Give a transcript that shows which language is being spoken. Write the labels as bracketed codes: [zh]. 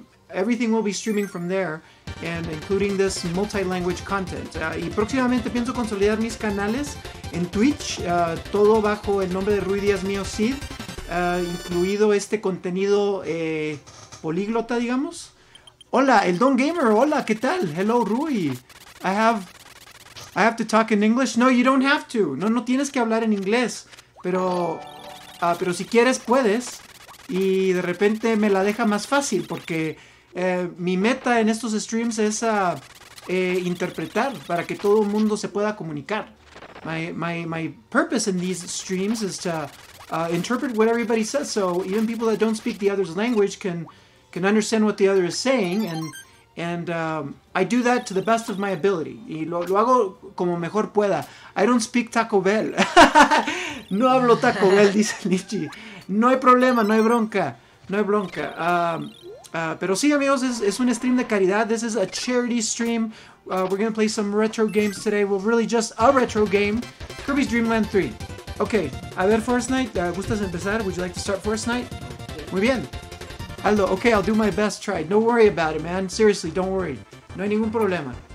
[en] Everything will be streaming from there, and including this multi-language content. [es] Y próximamente pienso consolidar mis canales en Twitch, todo bajo el nombre de Rui Diaz Mio Cid, incluido este contenido políglota, digamos. [en] Hola, el Don Gamer. Hola, ¿qué tal? Hello, Rui. I have to talk in English. No, you don't have to. [es] No tienes que hablar en inglés. Pero si quieres, puedes. Y de repente me la deja más fácil porque mi meta en estos streams es interpretar para que todo el mundo se pueda comunicar. [en] My purpose in these streams is to interpret what everybody says, so even people that don't speak the other's language can understand what the other is saying, and I do that to the best of my ability. [es] Y lo hago como mejor pueda. I don't speak Taco Bell. No hablo Taco Bell, dice Lichi. No hay problema, no hay bronca. No hay bronca. Pero sí, amigos, es un stream de caridad. [en] This is a charity stream. We're going to play some retro games today. Well, really just a retro game. Kirby's Dream Land 3. Okay, a ver, Forrest Knight. ¿Gustas empezar? Would you like to start Forrest Knight? Muy bien. Aldo, okay, I'll do my best try. No worry about it, man. Seriously, don't worry. No hay ningún problema.